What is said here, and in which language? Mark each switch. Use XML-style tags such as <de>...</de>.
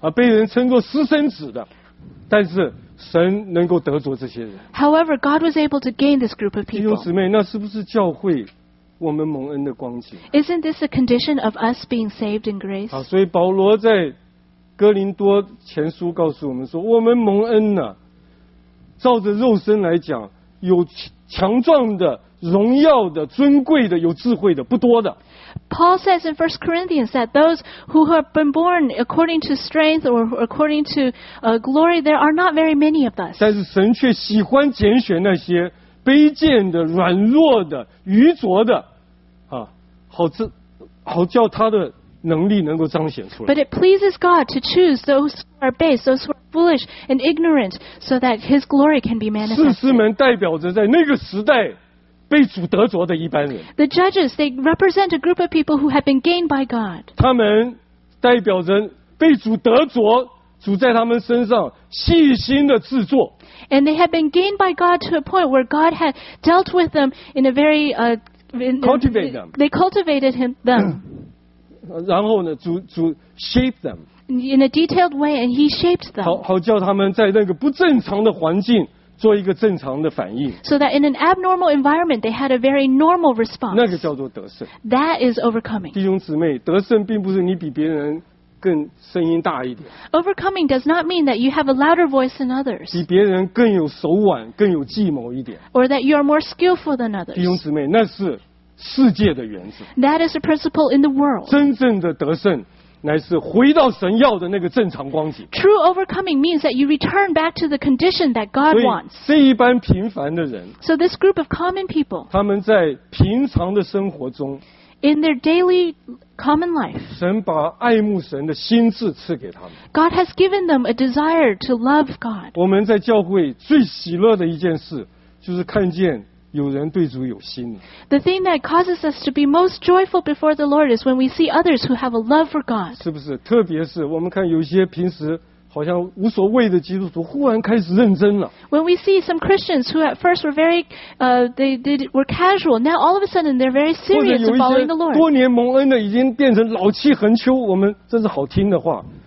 <zh>啊，被人称作私生子的，但是。神能够得着这些人。</zh> <en>However, God was able to gain this group of people.</en> <zh>弟兄姊妹，那是不是教会我们蒙恩的光景</zh> <en>？Isn't this a condition of us being saved in grace?</en> <zh>所以保罗在哥林多前书告诉我们说，我们蒙恩呢、啊，照着肉身来讲，有强壮的、荣耀的、尊贵的、有智慧的，不多的。</zh> <en>Paul says in 1 Corinthians that those who have been born according to strength or according to glory, there are not very many of us.</en> <zh>但是神却喜欢拣选那些卑贱的、软弱的、愚拙的，啊，好叫他的能力能够彰显出来。</zh> <en>But it pleases God to choose those who are base, those who are foolish and ignorant, so that His glory can be manifested.</en> <zh>士师们代表着在那个时代。被主得着的一般人。</zh> <en>The judges, they represent a group of people who have been gained by God.</en> <zh>他们代表着被主得着，主在他们身上细心的制作。</zh> <en>And they have been gained by God to a point where God had dealt with them in a very cultivate them. They cultivated them.</en> <zh>然后呢，主</zh> <en>shape them in a detailed way, and He shaped them.</en> <zh>好叫他们在那个不正常的环境。做一个正常的反应。</zh> <en>So that in an abnormal environment, they had a very normal response.</en> <zh>那个叫做得胜。</zh> <en>That is overcoming.</en> <zh>弟兄姊妹，得胜并不是你比别人更声音大一点。</zh> <en>Overcoming does not mean that you have a louder voice than others.</en> <zh>比别人更有手腕，更有计谋一点。</zh> <en>Or that you are more skillful than others.</en> <zh>弟兄姊妹，那是世界的原则。</zh> <en>That is a principle in the world.</en> <zh>真正的得胜。乃是回到神要的那个正常光景。</zh> <en>True overcoming means that you return back to the condition that God wants.</en> <zh>这一般平凡的人</zh> <en>，So this group of common people，</en> <zh>他们在平常的生活中</zh> <en>，In their daily common life，</en> <zh>神把爱慕神的心智赐给他们。</zh> <en>God has given them a desire to love God.</en> <zh>我们在教会最喜乐的一件事，就是看见。有人对主有心。</zh> <en>The thing that causes us to be most joyful before the Lord is when we see others who have a love for God.</en> <zh>是不是？特别是我们看有些平时好像无所谓的基督徒，忽然开始认真了。</zh> <en>When we see some Christians who at first were very, they were casual, now all of a sudden they're very serious in following the Lord.</en> <zh>或者有一些多年蒙恩的已经变成老气横秋，我们真是好听的话。</zh>